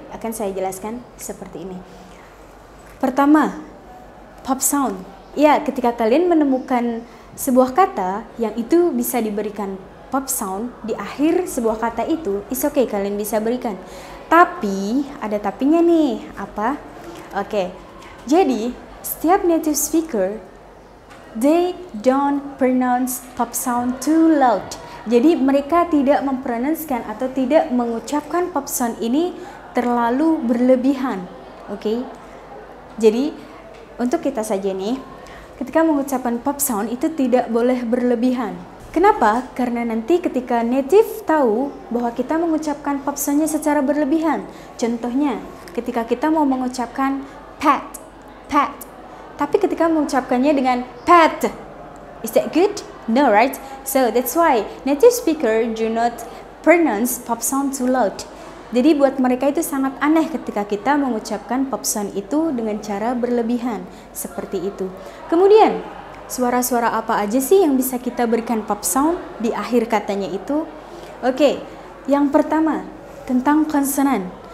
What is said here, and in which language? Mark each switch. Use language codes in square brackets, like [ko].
[id] Akan saya jelaskan seperti ini. Pertama, pop sound. Ya, ketika kalian menemukan sebuah kata yang itu bisa diberikan pop sound di akhir sebuah kata itu, [en] it's okay, [id] kalian bisa berikan. Tapi, ada tapinya nih, apa? Okay. Jadi, setiap [en] native speaker, they don't pronounce pop sound too loud. [id] Jadi mereka tidak mempronunskan atau tidak mengucapkan pop sound ini terlalu berlebihan. Oke. Jadi untuk kita saja nih, ketika mengucapkan pop sound itu tidak boleh berlebihan. Kenapa? Karena nanti ketika native tahu bahwa kita mengucapkan pop soundnya secara berlebihan. Contohnya, ketika kita mau mengucapkan pat, pat. Tapi ketika mengucapkannya dengan pat, [en] is that good? No, right? So that's why native speaker do not pronounce pop sound too loud. [id] Jadi buat mereka itu sangat aneh ketika kita mengucapkan pop sound itu dengan cara berlebihan seperti itu. Kemudian, suara-suara apa aja sih yang bisa kita berikan pop sound di akhir katanya itu? Okay, yang pertama tentang konsonan.